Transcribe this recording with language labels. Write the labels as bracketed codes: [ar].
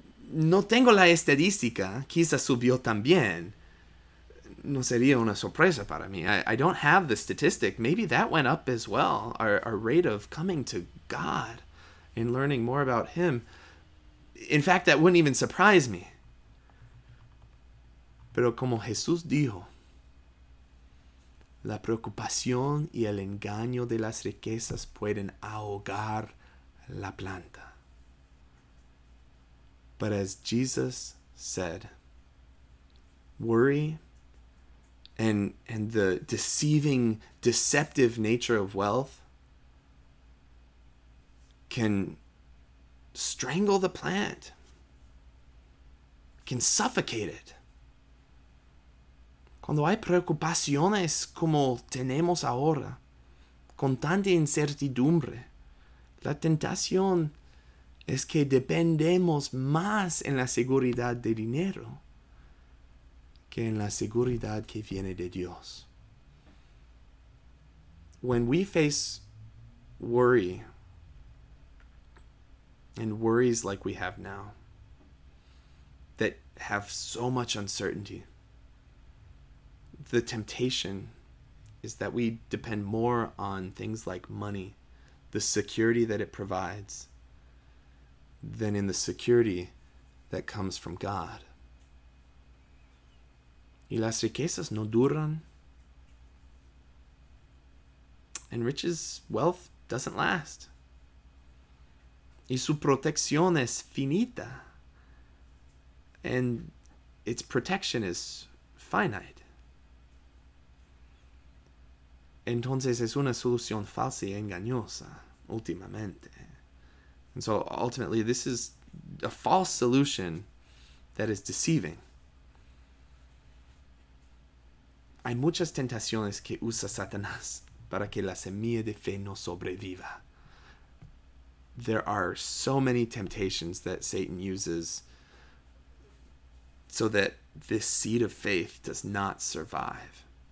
[es] No tengo la estadística. Quizás subió también. No sería una sorpresa para mí. [en] I don't have the statistic. Maybe that went up as well. Our rate of coming to God and learning more about Him. In fact, that wouldn't even surprise me. [es] Pero como Jesús dijo, la preocupación y el engaño de las riquezas pueden ahogar la planta. [en] But as Jesus said, worry and the deceiving, deceptive nature of wealth can strangle the plant, can suffocate it. [es] Cuando hay preocupaciones como tenemos ahora, con tanta incertidumbre, la tentación es que dependemos más en la seguridad de dinero que en la seguridad que viene de Dios. [en] When we face worry and worries like we have now that have so much uncertainty, the temptation is that we depend more on things like money, the security that it provides, than in the security that comes from God. [es] Y las riquezas no duran. [en] And riches, wealth, doesn't last. [es] Y su protección es finita. [en] And its protection is finite. [es] Entonces es una solución falsa y engañosa, últimamente. [en] And so, ultimately, this is a false solution that is deceiving. [es] Hay muchas tentaciones que usa Satanás para que la semilla de fe no sobreviva. [en] There are so many temptations that Satan uses so that this seed of faith does not survive.